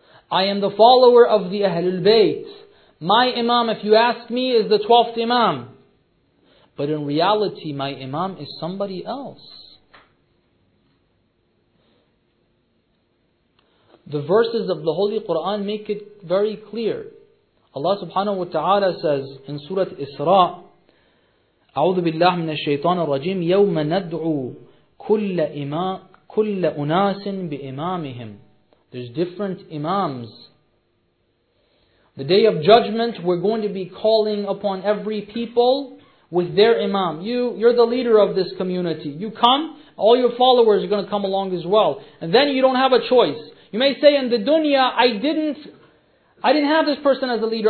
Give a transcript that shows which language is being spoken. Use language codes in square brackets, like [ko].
[en] I am the follower of the Ahlul Bayt. My Imam, if you ask me, is the 12th Imam. But in reality, my Imam is somebody else. The verses of the Holy Quran make it very clear. Allah subhanahu wa ta'ala says in Surah Isra, [ar] أعوذ بالله من الشيطان الرجيم يوم ندعو كل إمام كل أناس بإمامهم. [en] There's different imams. The day of judgment, we're going to be calling upon every people with their imam. You're the leader of this community. You come, all your followers are going to come along as well. And then you don't have a choice. You may say in the dunya, I didn't have this person as a leader.